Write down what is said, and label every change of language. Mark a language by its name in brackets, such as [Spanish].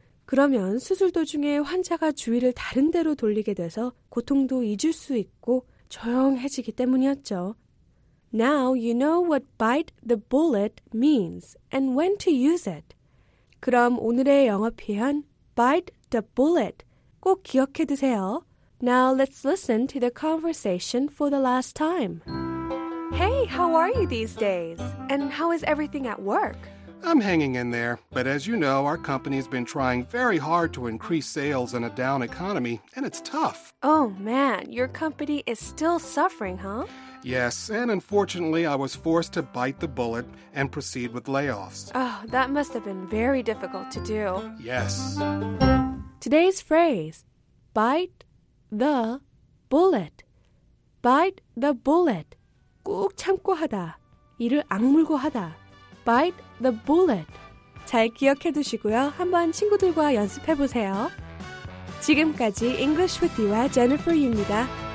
[Korean] 그러면 수술 도중에 환자가 주위를 다른 데로 돌리게 돼서 고통도 잊을 수 있고 조용해지기 때문이었죠. [English] Now you know what bite the bullet means and when to use it. [Korean] 그럼 오늘의 영어 표현 bite the bullet 꼭 기억해 두세요. [English] Now let's listen to the conversation for the last time. Hey, how are you these days? And how is everything at work? I'm hanging in there, but as you know, our company's been trying very hard to increase sales in a down economy, and it's tough. Oh man, your company is still suffering, huh? Yes, and unfortunately, I was forced to bite the bullet and proceed with layoffs. Oh, that must have been very difficult to do. Yes. Today's phrase, bite the bullet. Bite the bullet. [Korean] 꾹 참고 하다. 이를 악물고 하다. [English] Bite the bullet. [Korean] 잘 기억해 두시고요. 한번 친구들과 연습해 보세요. 지금까지 English with You와 Jennifer 유입니다.